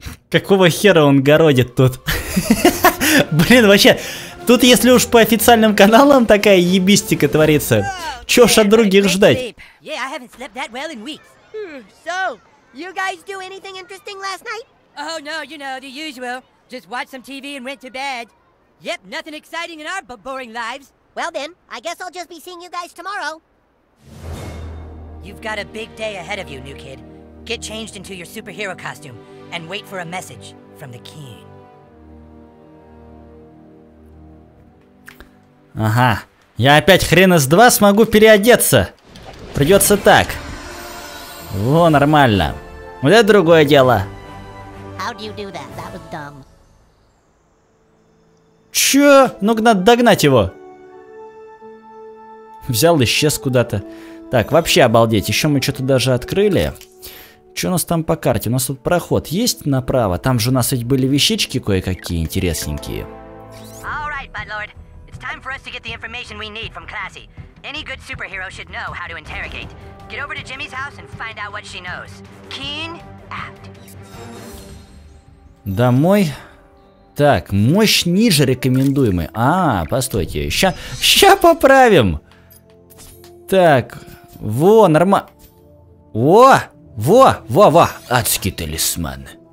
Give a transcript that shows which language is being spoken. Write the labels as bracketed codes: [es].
[ru] Какого хера он городит тут? Блин, вообще, тут если уж по официальным каналам такая ебистика творится, чё ж от других ждать? [en] Yeah, I haven't slept that well in weeks. So, you guys do anything interesting last night? Oh no, you know, the usual. Just watched some TV and went to bed. Yep, nothing exciting in our boring lives. Well then, I guess I'll just be seeing you guys tomorrow. You've got a big day ahead of you, new kid. Get changed into your superhero costume and wait for a message from the king. [ru] Ага, я опять хрен из два смогу переодеться. Придется так. Во, нормально. Вот это другое дело. [en] How do you do that? That was dumb. [ru] Чё? Ну-ка, надо догнать его. Взял, исчез куда-то. Так, вообще обалдеть, еще мы что-то даже открыли. Что у нас там по карте? У нас тут проход есть направо? Там же у нас ведь были вещички кое-какие интересненькие. [en] Alright, Budlord. It's time for us to get the information we need from Classy. Any good superhero should know how to interrogate. Get over to Jimmy's house and find out what she knows. Keen out. [ru] Домой? Так, мощь ниже рекомендуемой. А, постойте, ща поправим. Так, во, нормально. Во, адский талисман.